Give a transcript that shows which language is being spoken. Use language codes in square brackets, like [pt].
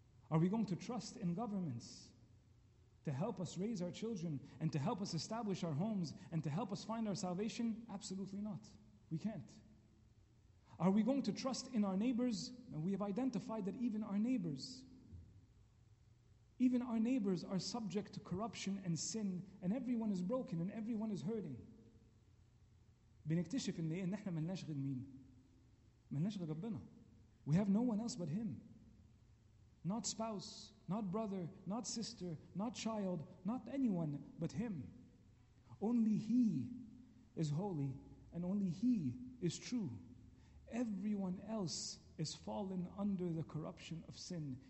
[en] Are we going to trust in governments to help us raise our children and to help us establish our homes and to help us find our salvation? Absolutely not. We can't. Are we going to trust in our neighbors? And we have identified that even our neighbors are subject to corruption and sin, and everyone is broken and everyone is hurting. [ar] بنكتشف ان ايه ان احنا ملناش غير مين ملناش غير ربنا. [en] We have no one else but him. Not spouse, not brother, not sister, not child, not anyone but him. Only he is holy, and only he is true. Everyone else is fallen under the corruption of sin.